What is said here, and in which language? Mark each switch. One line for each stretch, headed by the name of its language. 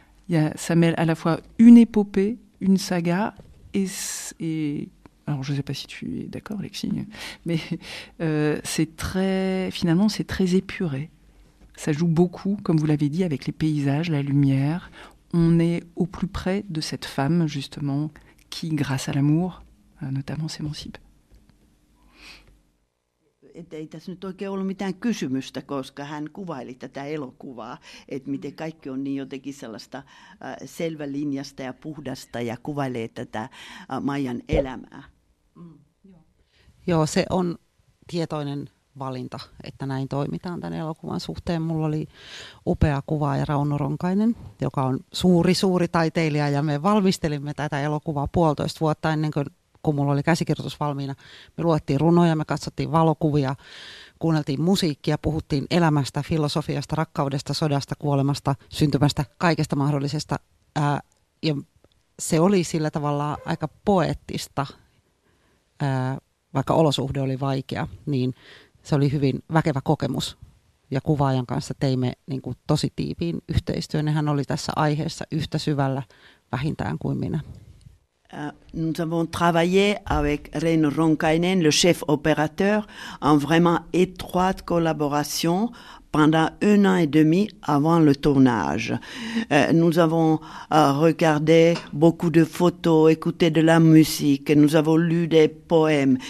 French: Ça mêle à la fois une épopée, une saga, et alors je ne sais pas si tu es d'accord, Lexine, mais c'est très épuré. Ça joue beaucoup, comme vous l'avez dit, avec les paysages, la lumière. On est au plus près de cette femme, justement, qui, grâce à l'amour, notamment, s'émancipe.
Finnish: Että ei tässä nyt oikein ollut mitään kysymystä, koska hän kuvaili tätä elokuvaa, että miten kaikki on niin jotenkin sellaista selvälinjasta ja puhdasta ja kuvailee tätä Maijan elämää. Joo, se on tietoinen valinta, että näin toimitaan tämän elokuvan suhteen. Mulla oli upea kuvaaja Rauno Ronkainen, joka on suuri taiteilija, ja me valmistelimme tätä elokuvaa 1,5 vuotta ennen kuin kun mulla oli käsikirjoitus valmiina. Me luettiin runoja, me katsottiin valokuvia, kuunneltiin musiikkia, puhuttiin elämästä, filosofiasta, rakkaudesta, sodasta, kuolemasta, syntymästä, kaikesta mahdollisesta. Ja se oli sillä tavalla aika poeettista, vaikka olosuhde oli vaikea, niin se oli hyvin väkevä kokemus. Ja kuvaajan kanssa teimme niin kuin tosi tiiviin yhteistyön. Hän oli tässä aiheessa yhtä syvällä vähintään kuin minä.
French: Nous avons travaillé avec Reino Ronkainen, le chef opérateur, en vraiment étroite collaboration pendant un an et demi avant le tournage. Nous avons regardé beaucoup de photos, écouté de la musique, nous avons lu des poèmes.